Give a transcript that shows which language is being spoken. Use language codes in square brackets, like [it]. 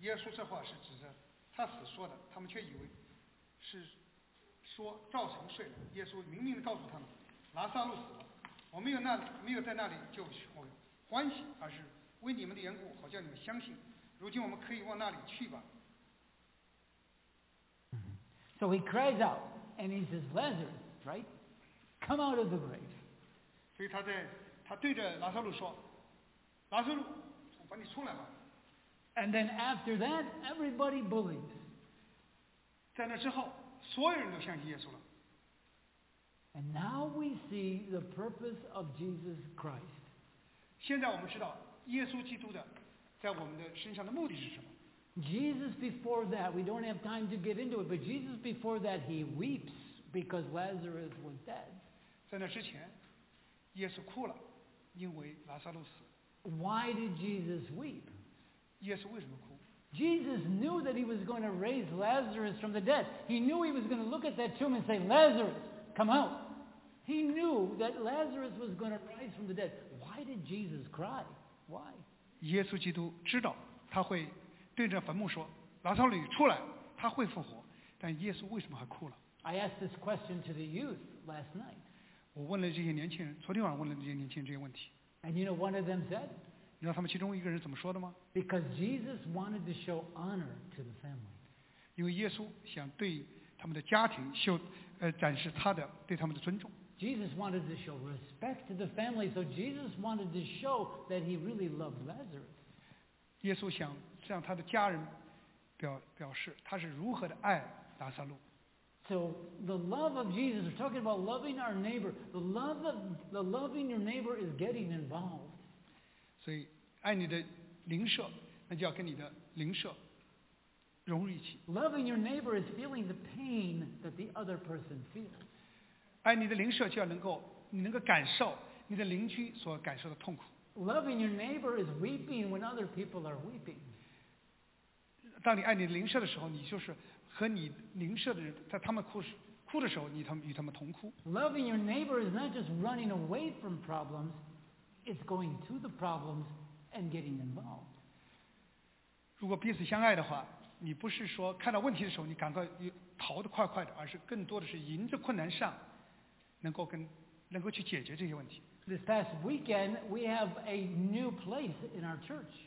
[zh] 耶稣这话是指着他死说的，他们却以为是说照常睡了。耶稣明明地告诉他们，拉撒路死了。我没有在那里就欢喜，而是为你们的缘故，好叫你们相信。如今我们可以往那里去吧。 [en] So he cries out and he says, Lazarus, right? Come out of the grave. [zh] 所以他对着拉撒路说，拉撒路，我把你出来吧。 [en] And then after that, everybody believes. [zh] 在那之后，所有人都相信耶稣了。 [en] And now we see the purpose of Jesus Christ. [zh] 现在我们知道耶稣基督的在我们的身上的目的是什么。 [en] Jesus before that, we don't have time to get into it, but Jesus before that, he weeps because Lazarus was dead. [zh] 在那之前，耶稣哭了，因为拉撒路死。 [en] Why did Jesus weep? [zh] 耶稣为什么哭？ [en] Jesus knew that he was going to raise Lazarus from the dead. He knew he was going to look at that tomb and say, Lazarus! Come out. He knew that Lazarus was going to rise from the dead. Why did Jesus cry? Why? [zh] 耶稣基督知道他会对着坟墓说，拉撒路出来，他会复活。但耶稣为什么还哭了？ [en] I asked this question to the youth last night. [zh] 我问了这些年轻人，昨天晚上问了这些年轻人这些问题。 [en] And you know one of them said? [zh] 你知道他们其中一个人怎么说的吗？ [en] Because Jesus wanted to show honor to the family. [zh] 因为耶稣想对他们的家庭秀展示他的对他们的尊重。 [en] Jesus wanted to show respect to the family, so Jesus wanted to show that he really loved Lazarus. [zh] 耶稣想向他的家人表示他是如何的爱拉撒路。 [en] So the love of Jesus, we're talking about loving our neighbor. The loving your neighbor is getting involved. [zh] 所以爱你的邻舍，那就要跟你的邻舍融入一起。 [en] Loving your neighbor is feeling the pain that the other person feels. [zh] 爱你的邻舍就要能够感受你的邻居所感受的痛苦。 [en] Loving your neighbor is weeping when other people are weeping. [zh] 当你爱你的邻舍的时候，你就是和你邻舍的人在他们哭的时候，你与他们同哭。 [en] Loving your neighbor is not just running away from problems, it's going to the problems and getting involved. [zh] 如果彼此相爱的话，你不是说看到问题的时候你赶快逃得快快的，而是更多的是迎着困难上，能够去解决这些问题。 [en] This past weekend we have a new place in our church.